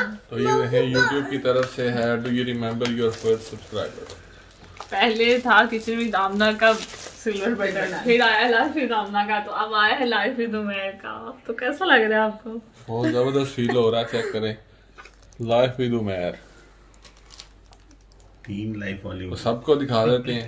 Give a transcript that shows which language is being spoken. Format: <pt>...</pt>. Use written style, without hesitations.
<hi>तो ये है YouTube की तरफ से है।</hi> <en>Do you remember your first subscriber?</en> <hi>पहले था किचन विद आमना का सिल्वर बटन, फिर आया लाइफ विद आमना का, तो अब आया है लाइफ विद उमेर का। तो कैसा लग रहा है आपको? बहुत जबरदस्त फील हो रहा है, चेक करें लाइफ विद उमेर, तीन लाइफ वाली। तो सबको दिखा देते हैं।</hi>